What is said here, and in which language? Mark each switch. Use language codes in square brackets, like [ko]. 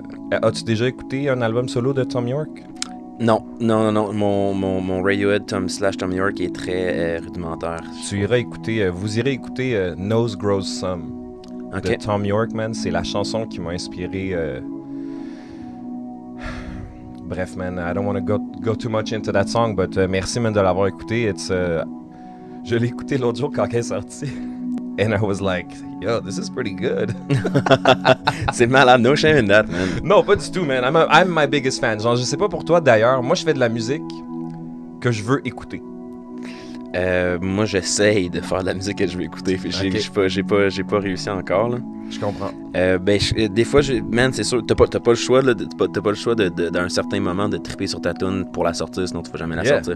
[fr] As-tu déjà écouté un album solo de Tom York? Non. Mon Radiohead /Tom York est très rudimentaire. Vous irez écouter Nose Grows Some. [en] Okay. [fr] De Tom York, man, c'est la chanson qui m'a inspiré. Bref, [en] man, I don't want to go too much into that song, but [fr] merci, man, de l'avoir écouté. Je l'ai écouté l'autre jour quand elle est sortie. [en] And I was like, yo, this is pretty good. [fr] C'est malade, [en] no shame in that, man. [fr] Non, pas du tout, man. [en] I'm my biggest fan. [fr] Genre, je sais pas pour toi d'ailleurs, moi je fais de la musique que je veux écouter. Moi, j'essaye de faire de la musique que je veux écouter. J'ai pas réussi encore. Là. Je comprends. C'est sûr, t'as pas le choix, là, t'as pas le choix d'un certain moment de triper sur ta toune pour la sortir, sinon tu vas jamais la sortir.